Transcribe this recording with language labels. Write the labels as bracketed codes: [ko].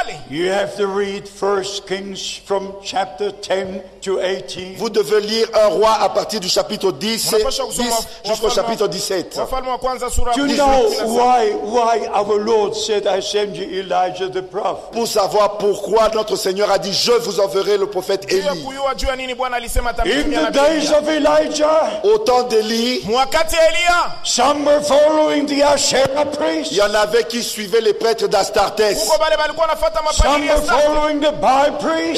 [en] You have to read 1 Kings from chapter 10 to 18. [fr] Vous devez lire un roi à partir du chapitre 10 jusqu'au chapitre 17. [en] Do you know why our Lord said, I send you Elijah the prophet? [fr] Pour savoir pourquoi notre Seigneur a dit, je vous enverrai le prophète Élie. [en] In the days of Elijah, [fr] au temps d'Élie, [en] some were following the Asherah priests. [fr] Il y en avait qui suivaient les prêtres d'Astartès. [en] Some were following the Baal priests.